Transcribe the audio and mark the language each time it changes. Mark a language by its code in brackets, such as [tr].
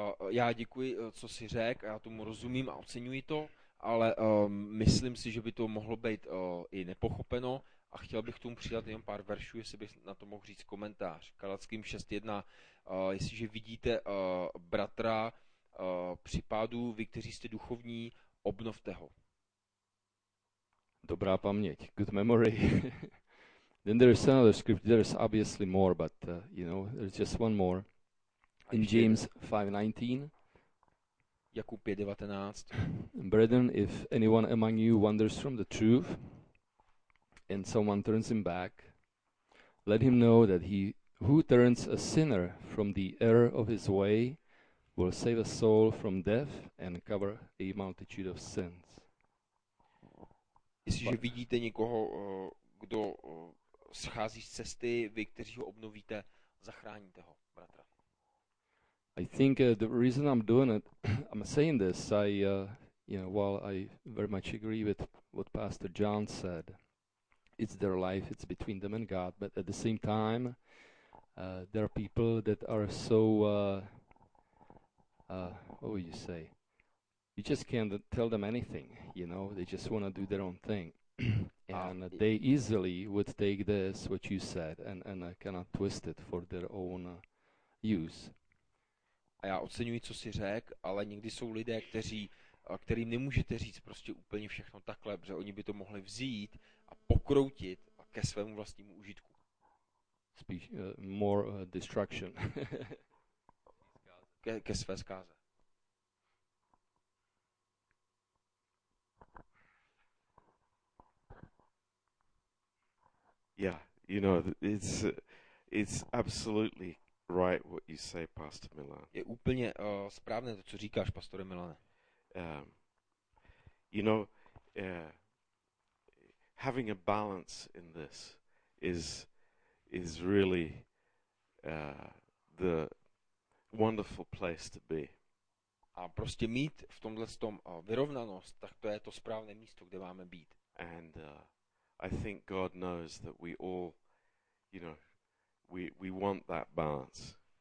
[cs] Já děkuji, co jsi řekl, já tomu rozumím a oceňuji to, ale myslím si, že by to mohlo být i nepochopeno a chtěl bych tomu přidat jen pár veršů, jestli bych na to mohl říct komentář. Galatským 6:1, jestliže vidíte bratra při pádu, vy, kteří jste duchovní, obnovte ho. Dobrá paměť, [en] good memory. Then there is another script, there is obviously more, but you know, there's just one more. In James 5:19. [cs] Jakub 5:19. [en] Brethren, if anyone among you wanders from the truth and someone turns him back, let him know that he who turns a sinner from the error of his way will save a soul from death and cover a multitude of sins. [cs] Jestliže vidíte někoho, kdo schází z cesty, vy, kteří ho obnovíte, zachráníte ho, bratra. [en] I think the reason I'm doing it, I'm saying this, I, you know, while I very much agree with what Pastor John said, it's their life, it's between them and God, but at the same time, there are people that are so, what would you say, you just can't tell them anything, you know, they just want to do their own thing. And they easily would take this, what you said, and cannot twist it for their own use. [cs] A já oceňuji, co jsi řekl, ale někdy jsou lidé, kterým nemůžete říct prostě úplně všechno takhle, protože oni by to mohli vzít a pokroutit ke svému vlastnímu užitku. Spíš [en] more destruction. [cs] ke své zkáze. [en] Yeah, you know, it's absolutely right what you say, Pastor Milan. [cs] Je úplně správné to, co říkáš, pastore Milane. [en] You know, having a balance in this is really the wonderful place to be. [cs] A prostě mít v tomhle tom vyrovnanost, tak to je to správné místo, kde máme být. [en] And I think God knows that we all, you know, we want that balance.